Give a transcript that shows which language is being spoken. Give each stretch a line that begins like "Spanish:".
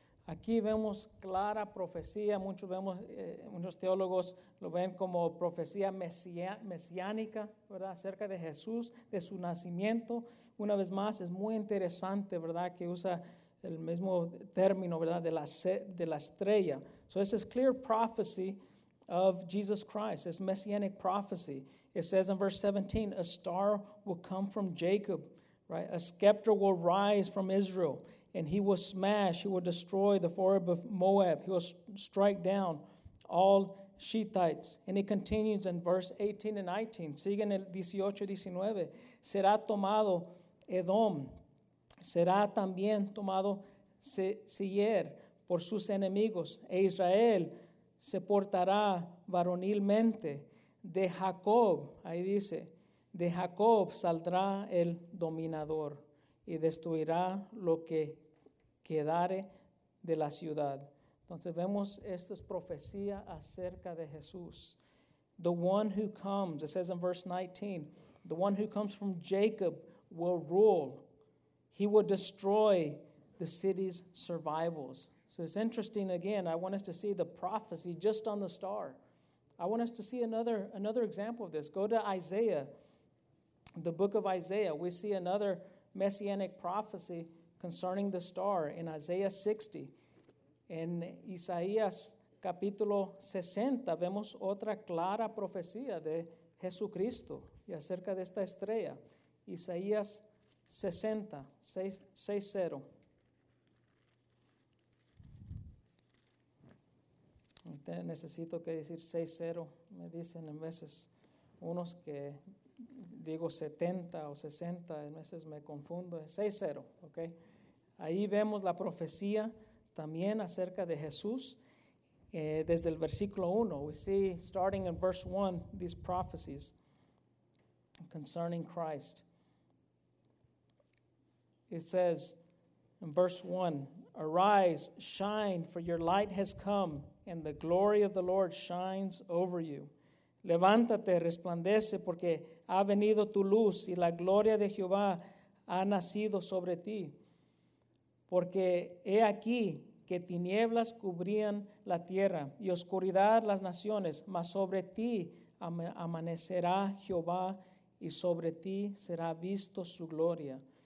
Spanish: Aquí vemos clara profecía, muchos teólogos lo ven como profecía mesiánica, ¿verdad? Acerca de Jesús, de su nacimiento. Una vez más, es muy interesante, ¿verdad?, que usa el mismo término, ¿verdad?, de la estrella.
English: So this is clear prophecy of Jesus Christ. It's messianic prophecy. It says in verse 17, a star will come from Jacob, right? A scepter will rise from Israel, and he will smash, he will destroy the forehead of Moab. He will strike down all Shittites. And he continues in verse 18 and 19.
Spanish: Sigue en el 18 y 19. Será tomado Edom. Será también tomado Seir por sus enemigos. E Israel se portará varonilmente. De Jacob, ahí dice, de Jacob saldrá el dominador y destruirá lo que quedare de la ciudad. Entonces vemos, esto es profecía acerca de Jesús.
English: The one who comes, it says in verse 19, the one who comes from Jacob will rule. He will destroy the city's survivals. So it's interesting, again, I want us to see the prophecy just on the star. I want us to see another example of this. Go to Isaiah, the book of Isaiah. We see another messianic prophecy concerning the star in Isaiah 60.
Spanish: En Isaías capítulo 60, vemos otra clara profecía de Jesucristo y acerca de esta estrella. Isaías 60, 6-0. Necesito que decir 6-0, me dicen en veces unos que digo 70 o 60, en veces me confundo, 6-0, ok. Ahí vemos la profecía también acerca de Jesús, desde el versículo 1.
English: We see, starting in verse 1, these prophecies concerning Christ. It says in verse 1, arise, shine, for your light has come, and the glory of the Lord shines over you.
Spanish: Levántate, resplandece, porque ha venido tu luz, y la gloria de Jehová ha nacido sobre ti. Porque he aquí que tinieblas cubrían la tierra, y oscuridad las naciones, mas sobre ti amanecerá Jehová, y sobre ti será visto su gloria.